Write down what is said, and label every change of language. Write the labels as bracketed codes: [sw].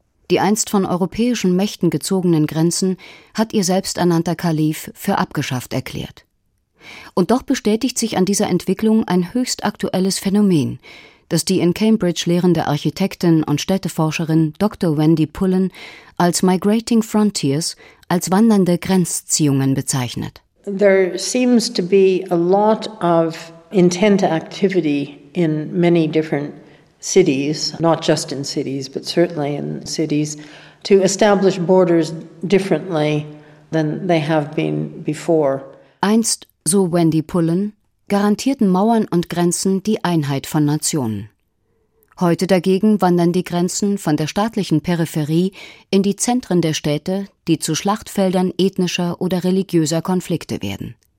[de] Die einst von europäischen Mächten gezogenen Grenzen hat ihr selbsternannter Kalif für abgeschafft erklärt. Und doch bestätigt sich an dieser Entwicklung ein höchst aktuelles Phänomen, das die in Cambridge lehrende Architektin und Städteforscherin Dr. Wendy Pullen als Migrating Frontiers, als wandernde Grenzziehungen bezeichnet. [en] There seems to be a lot of intent activity in many different cities, not just in cities, but certainly in cities, to establish borders differently than they have been before. [de] Einst, so Wendy Pullen, garantierten Mauern und Grenzen die Einheit von Nationen. Heute dagegen wandern die Grenzen von der staatlichen Peripherie in die Zentren der Städte, die zu Schlachtfeldern ethnischer oder religiöser Konflikte werden.